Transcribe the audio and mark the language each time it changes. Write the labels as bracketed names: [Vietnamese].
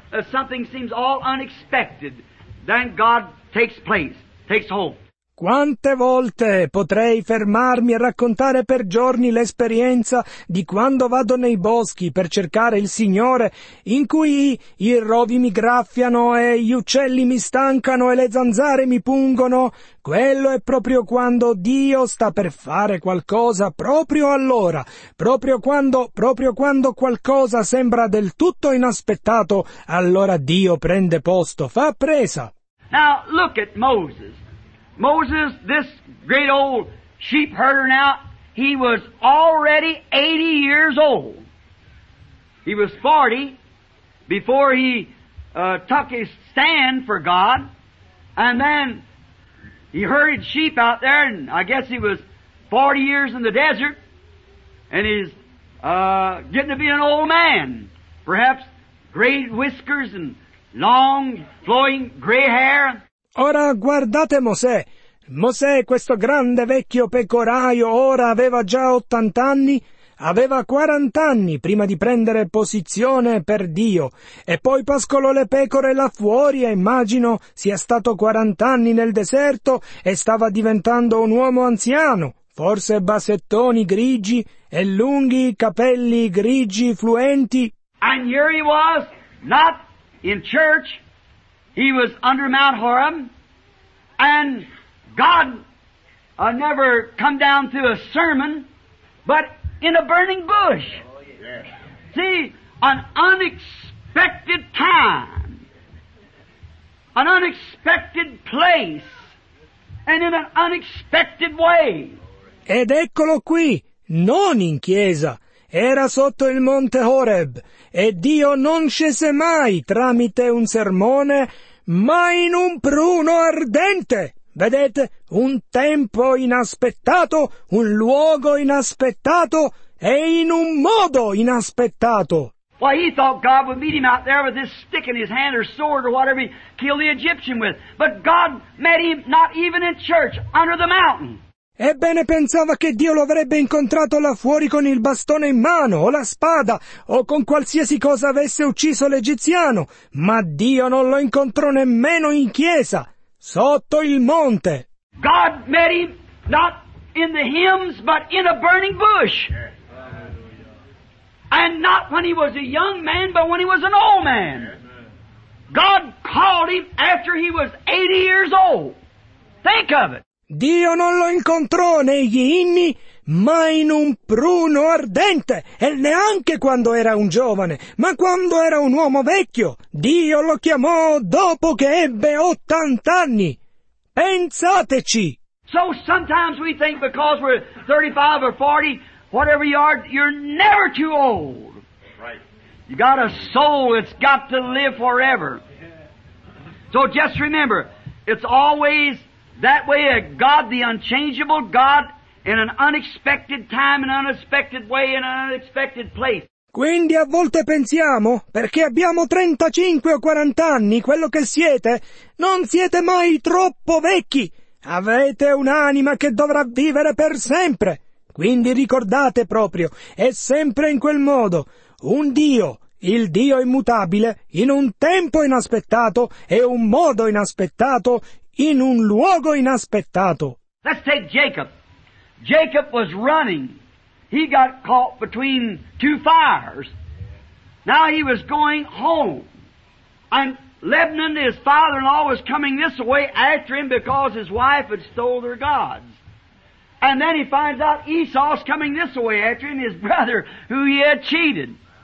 [English] Something seems all unexpected, then God takes place, takes hold. [Italian] Quante volte potrei fermarmi e raccontare per giorni l'esperienza di quando vado nei boschi per cercare il Signore, in cui i rovi mi graffiano e gli uccelli mi stancano e le zanzare mi pungono? Quello è proprio quando Dio sta per fare qualcosa, proprio allora, proprio quando qualcosa sembra del tutto inaspettato, allora Dio prende posto, fa presa. [English] Now look at Moses. Moses, this great old sheep herder now, he was already 80 years old. He was 40 before he took his stand for God. And then he herded sheep out there, and I guess he was 40 years in the desert. And he's getting to be an old man. Perhaps gray whiskers and long flowing gray hair. [Italian] Ora guardate Mosè. Mosè, questo grande vecchio pecoraio, ora aveva già 80 anni, aveva 40 anni prima di prendere posizione per Dio, e poi pascolò le pecore là fuori, e immagino sia stato 40 anni nel deserto e stava diventando un uomo anziano, forse bassettoni grigi e lunghi capelli grigi fluenti. [English] And here he was, not in church, he was under Mount Horeb, and God never come down to a sermon, but in a burning bush. Oh, yeah. See, an unexpected time, an unexpected place, and in an unexpected way. [Italian] Ed eccolo qui, non in chiesa. Era sotto il monte Horeb, e Dio non scese mai tramite un sermone, ma in un pruno ardente. Vedete, un tempo inaspettato, un luogo inaspettato e in un modo inaspettato. [English] Why, he thought God would meet him out there with this stick in his hand or sword or whatever he killed the Egyptian with. But God met him not even in church, under the mountain. [Italian] Ebbene, pensava che Dio lo avrebbe incontrato là fuori con il bastone in mano, o la spada, o con qualsiasi cosa avesse ucciso l'egiziano. Ma Dio non lo incontrò nemmeno in chiesa. Sotto il monte. [English] God met him not in the hymns but in a burning bush. And not when he was a young man but when he was an old man. God called him after he was 80 years old. Think of it. [Italian] Dio non lo incontrò negli inni ma in un pruno ardente, e neanche quando era un giovane, ma quando era un uomo vecchio. Dio lo chiamò dopo che ebbe 80 anni. Pensateci! [English] So sometimes we think because we're 35 or 40, whatever you are, you're never too old. Right. You got a soul, it's got to live forever. So just remember, it's always that way of God, the unchangeable God, in an unexpected time, in an unexpected way, in an unexpected place. [Italian] Quindi a volte pensiamo, perché abbiamo 35 o 40 anni, quello che siete, non siete mai troppo vecchi. Avete un'anima che dovrà vivere per sempre. Quindi ricordate proprio, è sempre in quel modo. Un Dio il Dio immutabile, in un tempo inaspettato e un modo inaspettato, in un luogo inaspettato. [English] Let's take Jacob. Jacob was running. He got caught between two fires. Now he was going home. And Laban, his father-in-law, was coming this way after him because his wife had stole their gods. And then he finds out Esau's coming this way after him, his brother, who he had cheated.